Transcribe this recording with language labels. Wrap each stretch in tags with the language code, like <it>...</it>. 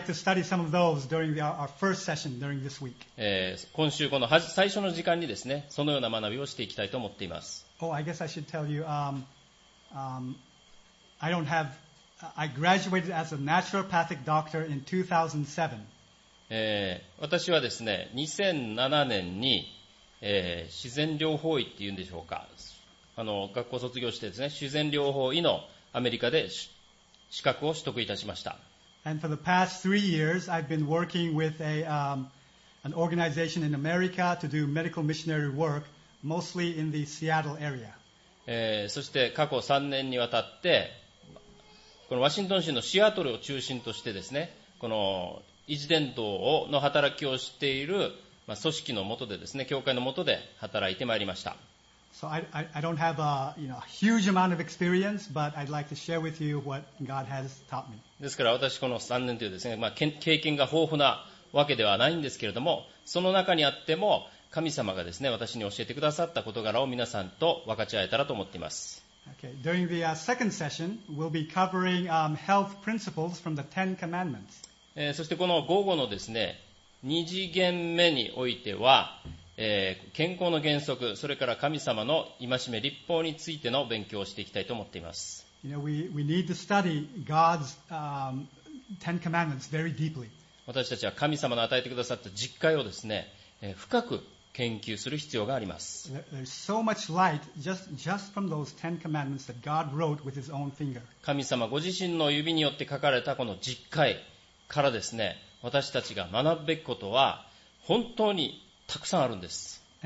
<ja>今週この最初の時間にですね、そのような学びをしていきたいと思っています。</ja> <en>Oh, I guess I should tell you, I don't have. I graduated as a naturopathic doctor in 2007.</en> <ja>私はですね、2007年に、自然療法医っていうんでしょうか。学校卒業してですね、自然療法医のアメリカで資格を取得いたしました。</ja> <en>And for the past three years, I've been working with an organization in America to do medical missionary work, mostly in the Seattle area.</en> <ja>そして過去3年にわたって、このワシントン州のシアトルを中心としてですね、この維持伝道の働きをしている組織の下でですね、教会の下で働いてまいりました。</ja> <en>So I don't have a, you know, a huge amount of experience, but I'd like to share with you what God has taught me.</en> <ja>ですから私この3年というですね、まあ、経験が豊富なわけではないんですけれども、その中にあっても神様がですね、私に教えてくださった事柄を皆さんと分かち合えたらと思っています。</ja> <en>Okay. During the second session, we'll be covering health principles from the Ten Commandments.</en> <ja>そしてこの午後のですね、2次元目においては、健康の原則、それから神様の戒め、律法についての勉強をしていきたいと思っています。</ja> <en>You know, we need to study God's Ten Commandments very deeply.</en> <ja>私たちは神様の与えてくださった実戒をですね、深く研究する必要があります。神様ご自身の指によって書かれたこの実戒からですね、私たちが学ぶべきことは本当にたくさんあるんです。</ja>